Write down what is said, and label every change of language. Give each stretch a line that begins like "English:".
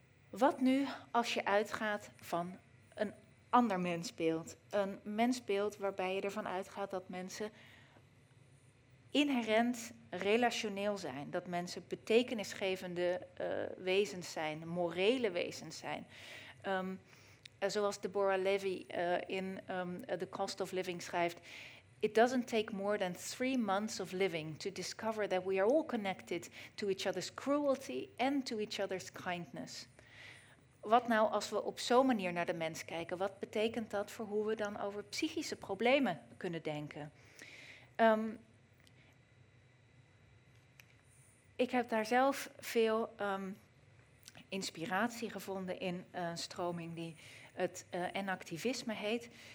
Dutch: Wat nu als je uitgaat van een ander mensbeeld? Een mensbeeld waarbij je ervan uitgaat dat mensen inherent relationeel zijn. Dat mensen betekenisgevende wezens zijn, morele wezens zijn. Zoals Deborah Levy in The Cost of Living schrijft:
English: "It doesn't take more than 3 months of living to discover that we are all connected to each other's cruelty and to each other's kindness."
Dutch: Wat nou als we op zo'n manier naar de mens kijken? Wat betekent dat voor hoe we dan over psychische problemen kunnen denken? Ik heb daar zelf veel inspiratie gevonden in een stroming die het enactivisme heet.